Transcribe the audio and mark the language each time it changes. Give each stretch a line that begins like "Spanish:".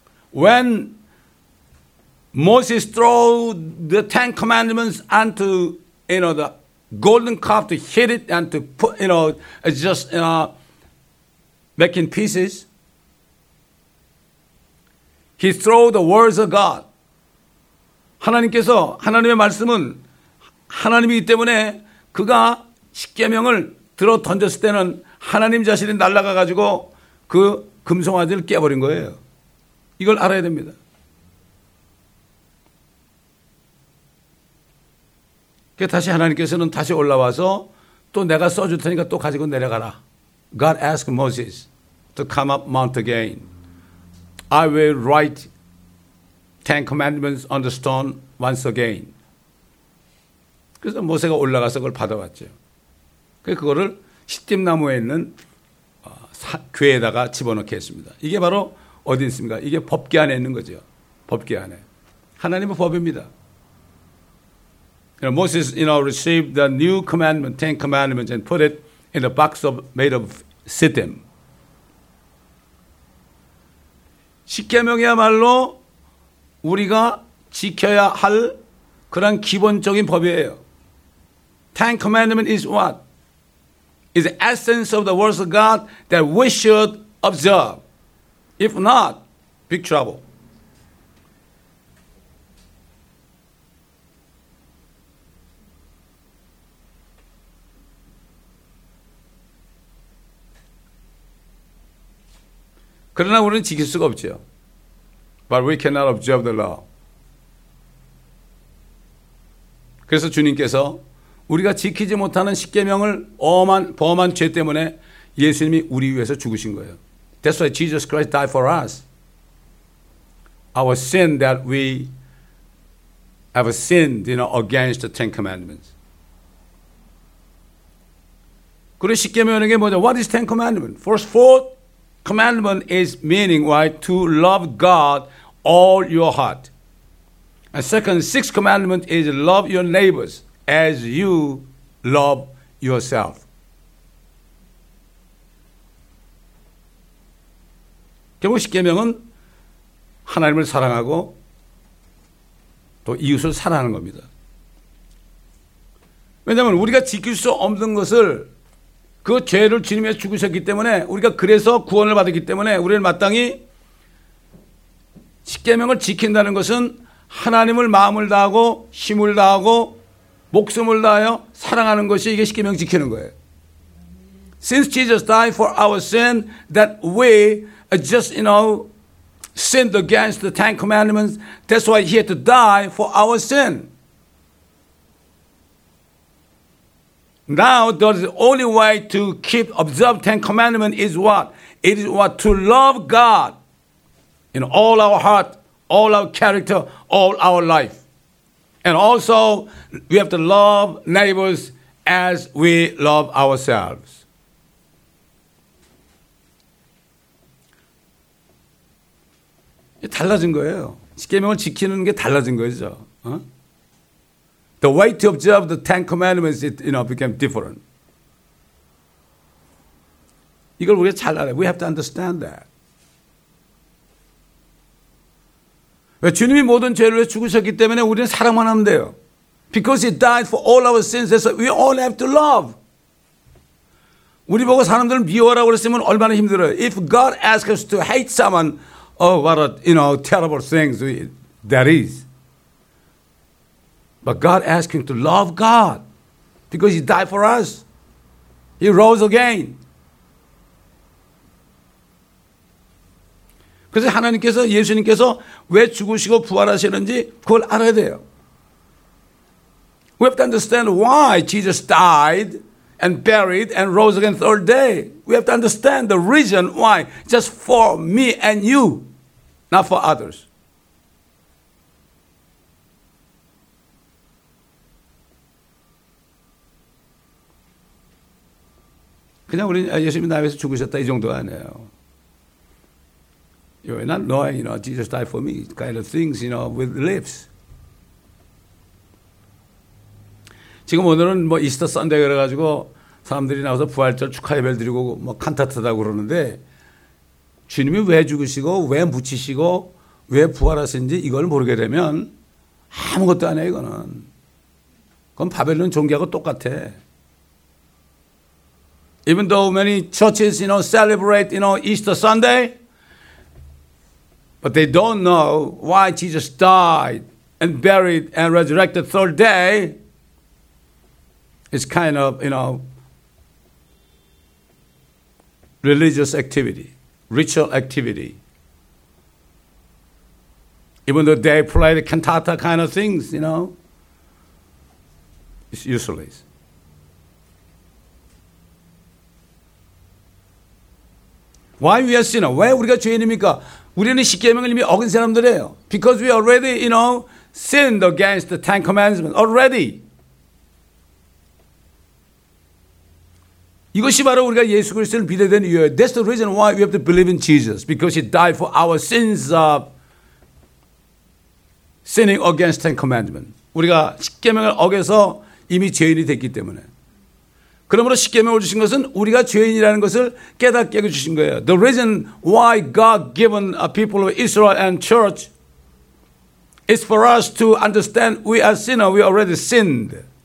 English: When Moses threw the Ten Commandments onto the golden calf to hit it and to put making pieces, he threw the words of God.
Korean: 하나님께서 하나님의 말씀은 하나님이기 때문에 그가 십계명을 들어 던졌을 때는 하나님 자신이 날아가 가지고 그 금송아지를 깨버린 거예요. 이걸 알아야 됩니다. 그 다시 하나님께서는 다시 올라와서 또 내가 써줄 테니까 또 가지고 내려가라.
English: God asked Moses to come up mount again. I will write Ten Commandments on the stone once again.
Korean: 그래서 모세가 올라가서 그걸 받아왔죠. 그거를 시딤나무에 있는 괴에다가 집어넣게 했습니다. 이게 바로 어디 있습니까? 이게 법궤 안에 있는 거죠. 법궤 안에. 하나님의 법입니다.
English: Moses, received the new commandment, Ten Commandments, and put it in a box made of siddim.
Korean: 십계명이야말로 우리가 지켜야 할 그런 기본적인 법이에요.
English: Ten Commandments is what? Is the essence of the words of God that we should observe. If not, big trouble.
Korean: 그러나 우리는 지킬 수가 없죠.
English: But we cannot observe the law.
Korean: 그래서 주님께서 우리가 지키지 못하는 십계명을 범한 죄 때문에 예수님이 우리 위해서 죽으신 거예요.
English: That's why Jesus Christ died for us. Our sin that we have sinned against the Ten Commandments.
Korean: 그리고 십계명이라는 게 뭐죠?
English: What is Ten Commandments? First, fourth commandment is meaning, right? To love God all your heart. And second, sixth commandment is love your neighbors as you love yourself.
Korean: 결국 십계명은 하나님을 사랑하고 또 이웃을 사랑하는 겁니다. 왜냐하면 우리가 지킬 수 없는 것을 그 죄를 지으며 죽으셨기 때문에 우리가 그래서 구원을 받았기 때문에 우리는 마땅히 십계명을 지킨다는 것은 하나님을 마음을 다하고 힘을 다하고 목숨을 다하여 사랑하는 것이 이게 십계명 지키는 거예요.
English: Since Jesus died for our sin, that we just, sinned against the Ten Commandments, that's why he had to die for our sin. Now, the only way to keep observe Ten Commandments is what? It is what? To love God in all our heart, all our character, all our life. And also, we have to love neighbors as we love ourselves.
Korean: 달라진 거예요. 십계명을 지키는 게 달라진 거죠. 어?
English: The way to observe the Ten Commandments, became different.
Korean: 이걸 우리가 잘 알아요.
English: We have to understand that.
Korean: 왜 주님이 모든 죄를 위해 죽으셨기 때문에 우리는 사랑만 하면 돼요.
English: Because he died for all our sins, so we all have to love.
Korean: 우리 보고 사람들을 미워하라고 했으면 얼마나 힘들어요.
English: If God asks us to hate someone, oh, what a terrible thing that is. But God asked him to love God because he died for us. He rose again.
Korean: 그래서 하나님께서 예수님께서 왜 죽으시고 부활하시는지 그걸 알아야 돼요.
English: We have to understand why Jesus died and buried and rose again the third day. We have to understand the reason why. Just for me and you, not for others.
Korean: 그냥 우리 예수님이 나 위해서 죽으셨다 이 정도 아니에요.
English: You're not knowing, you know, Jesus died for me kind of things, you know, with lips.
Korean: 지금 오늘은 뭐 이스터 선데이 그래가지고 사람들이 나와서 부활절 축하 예배 드리고 뭐 칸타트다 그러는데 주님이 왜 죽으시고 왜 묻히시고 왜 부활하신지 이걸 모르게 되면 아무것도 아니에요 이거는. 그건 바벨론 종교하고 똑같아.
English: Even though many churches, you know, celebrate, you know, Easter Sunday, but they don't know why Jesus died and buried and resurrected the third day, it's kind of, you know, religious activity, ritual activity. Even though they play the cantata kind of things, you know, it's useless. Why we are sinner?
Korean: 왜 우리가 죄인입니까? 우리는 십계명을 이미 어긴 사람들이에요.
English: Because we already, you know, sinned against the Ten Commandments already.
Korean: 이것이 바로 우리가 예수 그리스도를 믿어야 되는 이유예요.
English: That's the reason why we have to believe in Jesus. Because he died for our sins of sinning against Ten Commandments.
Korean: 우리가 십계명을 어겨서 이미 죄인이 됐기 때문에. 그러므로 십계명을 주신 것은 우리가 죄인이라는 것을 깨닫게 해주신 거예요.
English: The reason why God given a people of Israel and church is for us to understand we are sinner, we already sinned.